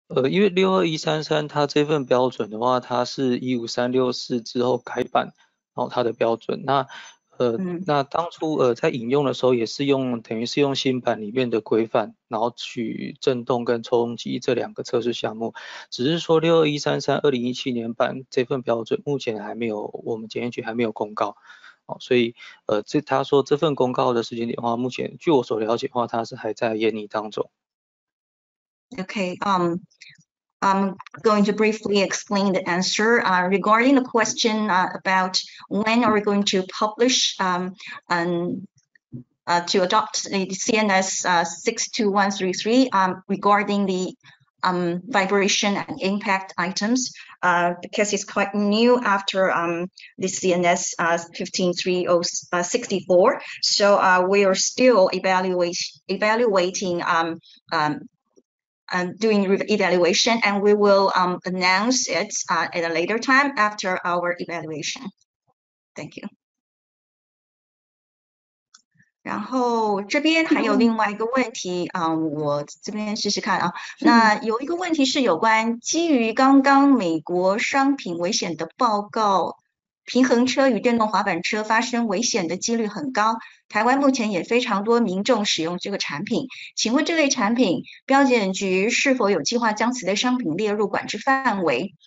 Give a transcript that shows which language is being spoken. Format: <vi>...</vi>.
<zh>因为62133它这份标准的话，它是15364之后改版，然后它的标准，那当初在引用的时候也是用，等于是用新版里面的规范，然后取振动跟冲击这两个测试项目，只是说62133/2017年版这份标准目前还没有，我们检验局还没有公告，所以这他说这份公告的时间点的话，目前据我所了解的话，它是还在研拟当中。</zh> <en>Okay, I'm going to briefly explain the answer regarding the question about when are we going to publish to adopt the CNS62133 regarding the vibration and impact items because it's quite new after the CNS15364. So we are still evaluating doing evaluation, and we will announce it at a later time after our evaluation. Thank you.</en> <zh>然后这边还有另外一个问题，我这边试试看啊。那有一个问题是有关基于刚刚美国商品危险的报告，平衡车与电动滑板车发生危险的几率很高，台湾目前也非常多民众使用这个产品，请问这类产品标检局是否有计划将此类商品列入管制范围？</zh>